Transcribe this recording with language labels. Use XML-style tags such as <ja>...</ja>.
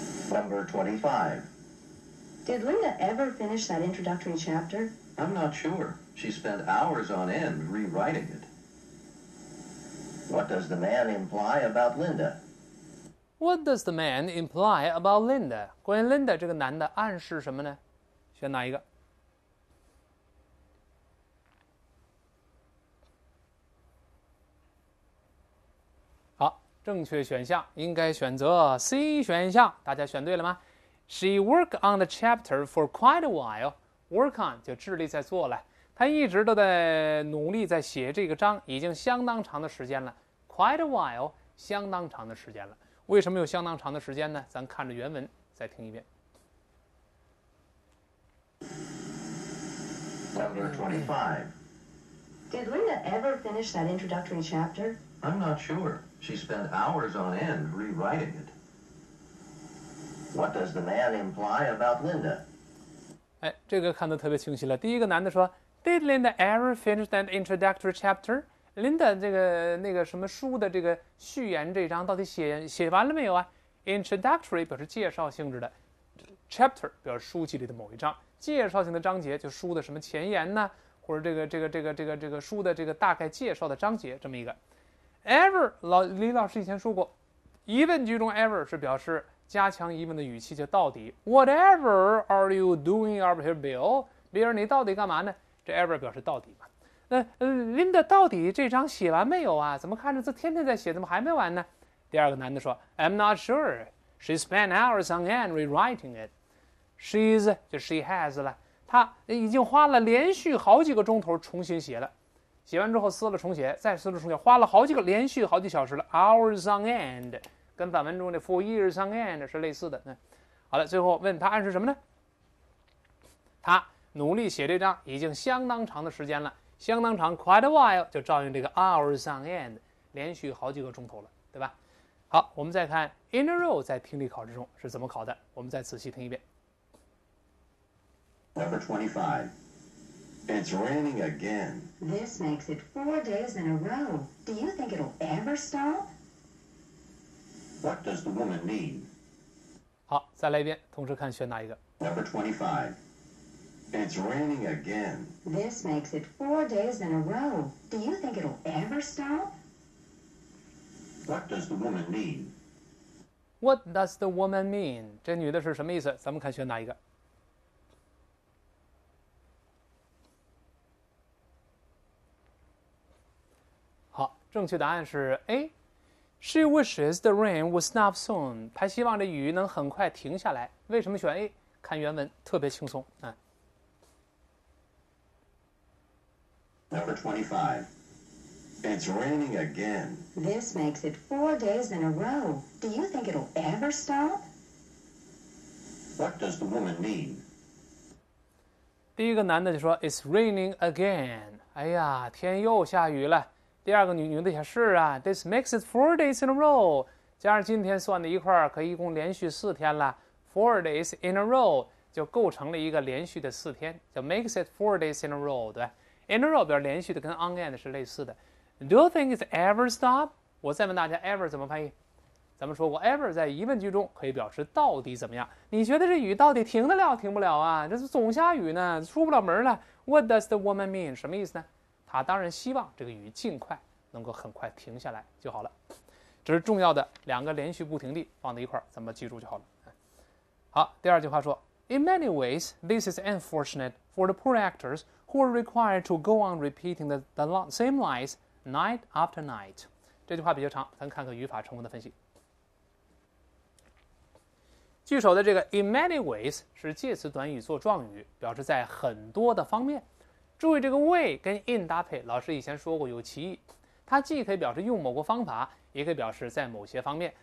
<en>Number 25. Did Linda ever finish that introductory chapter? I'm not sure. She spent hours on end rewriting it. What does the man imply about Linda? What does the man imply about Linda?</en> <zh>关于 Linda 这个男的暗示什么呢？选哪一个？好，正确选项应该选择 C 选项。大家选对了吗</zh> <en>？She worked on the chapter for quite a while.</en> <zh>Work on 就致力在做了，他一直都在努力在写这个章，已经相当长的时间了。 Quite a while， 相当长的时间了。为什么有相当长的时间呢？咱看着原文再听一遍。</zh> <en>Number 25. Did Linda ever finish that introductory chapter? I'm not sure. She spent hours on end rewriting it. What does the man imply about Linda?</en> <zh>哎，这个看得特别清晰了。第一个男的说</zh> <en>，Did Linda ever finish that introductory chapter?</en> <zh>Linda 这个那个什么书的这个序言这一章到底写完了没有啊 ？Introductory 表示介绍性质的 ，chapter 表示书籍里的某一章，介绍性的章节就书的什么前言呢？或者这个书的这个大概介绍的章节这么一个。Ever 李老师以前说过，疑问句中 ever 是表示加强疑问的语气就到底。</zh> <en>Whatever are you doing up here, Bill?</en> <zh>Bill, 你到底干嘛呢？这 ever 表示到底嘛。那 Linda 到底这张写完没有啊？怎么看着这天天在写，怎么还没完呢？第二个男的说 ，</zh> <en>I'm not sure. She spent hours on end rewriting it.</en> <zh>She's 就 she has 了，她已经花了连续好几个钟头重新写了，写完之后撕了重写，再撕了重写，花了好几个连续好几小时了 ，hours on end， 跟反文中的 for years on end 是类似的。嗯，好了，最后问他暗示什么呢？他努力写这张已经相当长的时间了。相当长 quite a while 就照应这个 hours on end 连续好几个钟头了，对吧？好，我们再看 in a row 在听力考试中是怎么考的，我们再仔细听一遍。</zh> <en>Number 25 It's raining again. This makes it 4 days in a row. Do you think it'll ever stop? What does the woman mean?</en> <zh>好，再来一遍，同时看选哪一个。</zh> <en>Number 25It's raining again. This makes it 4 days in a row. Do you think it'll ever stop? What does the woman mean? What does the woman mean?</en> <zh>这女的是什么意思？咱们看选哪一个。好，正确答案是 A.</zh> <en>She wishes the rain would stop soon.</en> <zh>她希望这雨能很快停下来。为什么选 A? 看原文，特别轻松。嗯，</zh> <en>Number 25. It's raining again. This makes it 4 days in a row. Do you think it'll ever stop? What does the woman mean?</en> <zh>第一个男的就说</zh> <en>It's raining again.</en> <zh>哎呀，天又下雨了。第二个女的也是啊</zh> <en>This makes it 4 days in a row.</en> <zh>加上今天算的一块可以一共连续四天了。 4 days in a row 就构成了一个连续的四天，就 makes it 4 days in a row， 对。 In a row 表连续的，跟 on end 是类似的。</zh> <en>Do you think it's ever stop?</en> <zh>我再问大家 ，ever 怎么翻译？咱们说过 ，ever 在疑问句中可以表示到底怎么样。你觉得这雨到底停得了停不了啊？这是总下雨呢，出不了门了。</zh> <en>What does the woman mean?</en> <zh>什么意思呢？她当然希望这个雨尽快能够很快停下来就好了。这是重要的两个连续不停地放在一块儿，咱们记住就好了。好，第二句话说</zh> <en>，In many ways, this is unfortunate for the poor actors. Who are required to go on repeating the same lines night after night?</en> <zh>这句话比较长，咱看看语法成分的分析。句首的这个 in many ways 是介词短语做状语，表示在很多的方面。注意这个 way 跟 in 搭配，老师以前说过有歧义。它既可以表示用某个方法，也可以表示在某些方面。</zh>